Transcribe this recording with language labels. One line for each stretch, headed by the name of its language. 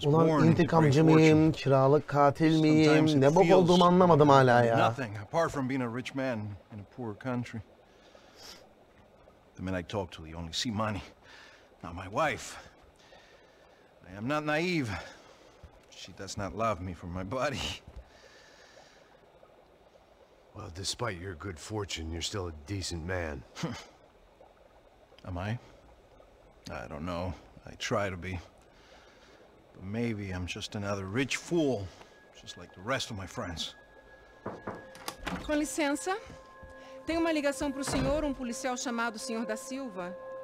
Turkish: Ulan intikamcı mıyım, kiralık katil miyim, ne bok olduğumu anlamadım hala ya.
English: Nothing apart from being a rich man in a poor country. The men I talk to, they only see money, not my wife. I am not naive. She does not love me for my body. Well, despite your good fortune, you're still a decent man. Am I? I don't know. I try to be. But maybe I'm just another rich fool, just like the rest of my friends.
Portuguese: Com licença. Tem uma ligação para o senhor, um policial chamado Senhor da Silva.